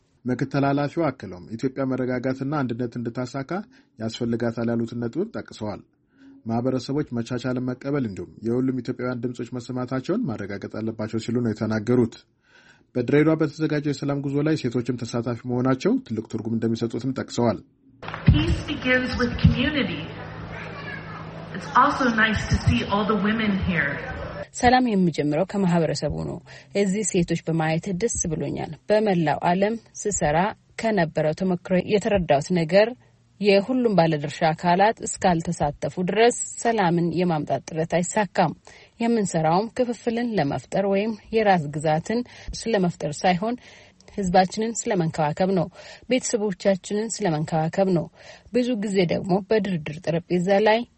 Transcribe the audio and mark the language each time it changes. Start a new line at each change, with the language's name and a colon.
Amharic: ምክትል ኃላፊው አክለውም ኢትዮጵያ መረጋጋትና አንድነት እንድታሳካ ያስፈልጋታል ያሉትን ነጥብ ጠቅሰዋል። ማህበረሰቦች መቻቻልን መቀበል እንዲሁም የሁሉም ኢትዮጵያውያን ድምጾች መሰማታቸውን ማረጋገጥ አለባቸው ሲሉ ነው የተናገሩት። በድሬዳዋ በተዘጋጀው የሰላም ጉዞ ላይ ሴቶችም ተሳታፊ መሆናቸው ትልቅ ትርጉም እንደሚሰጡትም ጠቅሰዋል።
English: Peace begins with community. It's also nice to see all the women here.
Amharic: ሰላም የሚጀምረው ከማህበረሰቡ ነው። እዚህ ሴቶች በማየት ደስ ብሎኛል። በመላው ዓለም ስሰራ ከነበረው ተመክሮ የተረዳሁት ነገር የሁሉም ባለድርሻ አካላት እስካልተሳተፉ ድረስ ሰላምን የማምጣት ጥረት አይሳካም። የምንሰራውም ክፍፍልን ለመፍጠር ወይም የራስ ግዛትን ስለመፍጠር ሳይሆን ህዝባችንን ስለመንከባከብ ነው። ቤተሰቦቻችንን ስለመንከባከብ ነው። ብዙ ጊዜ ደግሞ በድርድር ጠረጴዛ ላይ